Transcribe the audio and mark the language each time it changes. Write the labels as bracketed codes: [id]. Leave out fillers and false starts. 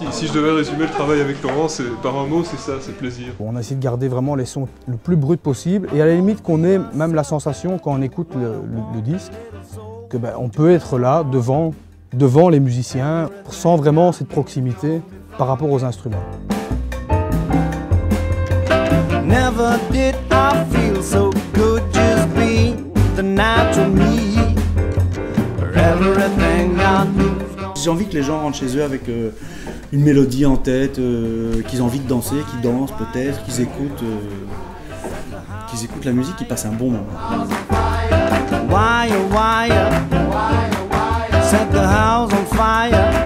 [fr] Si je devais résumer le travail avec Laurent, c'est, par un mot, c'est ça, c'est plaisir. On essaie de garder vraiment les sons le plus brut possible et à la limite qu'on ait même la sensation quand on écoute le disque que ben, on peut être là devant les musiciens sans vraiment cette proximité par rapport aux instruments. [en] Never did I feel so good just being the natural me. Everything I knew. [fr] J'ai envie que les gens rentrent chez eux avec une mélodie en tête, qu'ils ont envie de danser, qu'ils dansent peut-être, qu'ils écoutent la musique, qu'ils passent un bon moment. [en] Why, oh, why, oh, why, oh, why, oh, set the house on fire.